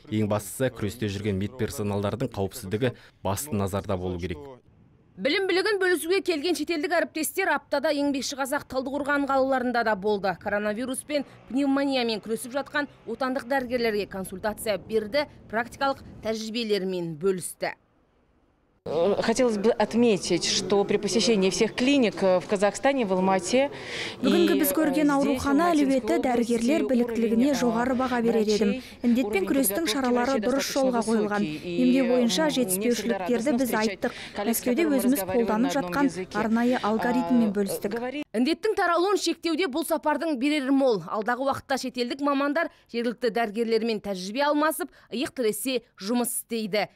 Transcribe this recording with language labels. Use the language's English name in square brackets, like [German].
[Kazakh] Ең бастысы, күресте жүрген медперсоналдардың қауіпсіздігі басты назарда болу керек. Білім-білігін бөлісуге келген шетелдік әріптестер аптада еңбекші қазақ Талдықорған қалаларында да болды. Коронавируспен пневмониямен күресіп жатқан отандық дәрігерлерге консультация берді, практикалық тәжірибелерімен бөлісті. [Russian] Хотелось бы отметить, что при посещении всех клиник в Казахстане, в Алмате... [Kazakh] Бүгінгі біз көрген аурухана әлеуеті дәрігерлер біліктілігіне жоғары баға берер едім. Індетпен күрестің шаралары дұрыс жолға қойылған. Емде бойынша жетіспеушіліктерді біз айттық. Мәскеуде өзіміз қолданып жатқан арнайы алгоритммен бөлістік. Індеттің таралуын шектеуде бұл сапардың берері мол. Алдағы уақытта шетелдік мамандар жергілікті дәрігерлермен тәжірибе алмасып, иық тіресе жұмыс істейді.